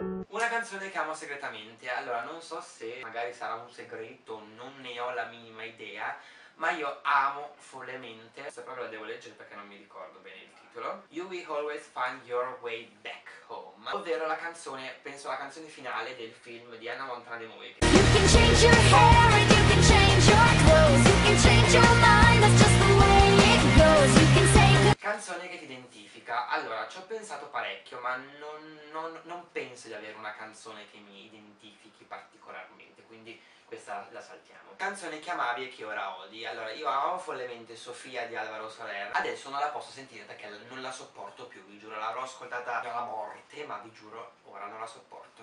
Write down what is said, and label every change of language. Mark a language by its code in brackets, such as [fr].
[it] Una canzone che amo segretamente. Allora, non so se magari sarà un segreto, non ne ho la minima idea, ma io amo follemente, questa proprio la devo leggere perché non mi ricordo bene il titolo, You Will Always Find Your Way Back Home, ovvero la canzone, penso la canzone finale del film di Hannah Montana The Movie. [en] You can change your hair and you can change your clothes, you can change your mind, that's just the way it goes, you can say good. [it] Canzone che ti identifica. Allora, ci ho pensato parecchio, ma non penso di avere una canzone che mi identifichi particolarmente, quindi questa la saltiamo. Canzone che amavi e che ora odi. Allora, io amo follemente Sofia di Alvaro Soler. Adesso non la posso sentire perché non la sopporto più, vi giuro. L'avrò ascoltata dalla morte, ma vi giuro, ora non la sopporto.